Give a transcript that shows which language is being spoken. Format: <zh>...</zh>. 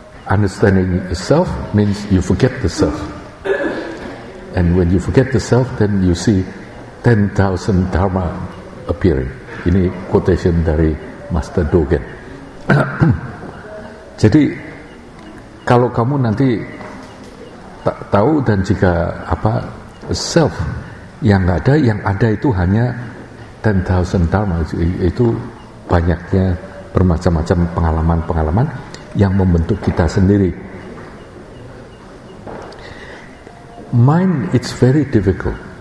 <en>Understanding yourself means you forget the self. And when you forget the self, then you see 10,000 dharma appearing.</en> <id>Ini quotation dari Master Dogen. Jadi kalau kamu nanti tahu dan jika apa self yang ada itu hanya 10,000 dharma, itu banyaknya bermacam-macam pengalaman-pengalaman yang membentuk kita sendiri.</id> <en>Mind, it's very difficult.</en>